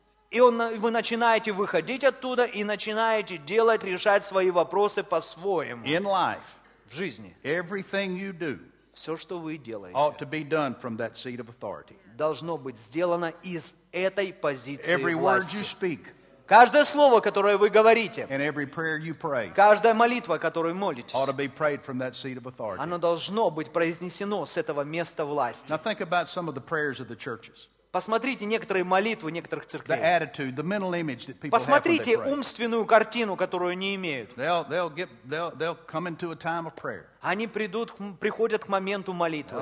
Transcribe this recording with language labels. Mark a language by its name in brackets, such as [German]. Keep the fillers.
[Russian] И он, вы начинаете выходить оттуда и начинаете делать, решать свои вопросы по-своему. [English] In life, [Russian] в жизни. [English] Everything you do, [Russian] все, что вы делаете, [English] ought to be done from that seat of authority. [Russian] должно быть сделано из этой позиции [English] Every [Russian] власти. [English] Word you speak, [Russian] Каждое слово, которое вы говорите, and every prayer you pray, каждая молитва, которую молитесь, [English] ought to be prayed from that seat of authority. [Russian] оно должно быть произнесено с этого места власти. [English] Now think about some of the prayers of the churches. [Russian] Посмотрите некоторые молитвы некоторых церквей. [English] The attitude, the [Russian] Посмотрите умственную картину, которую они имеют. [English] They'll, they'll get, they'll, [Russian] они придут, приходят к моменту молитвы.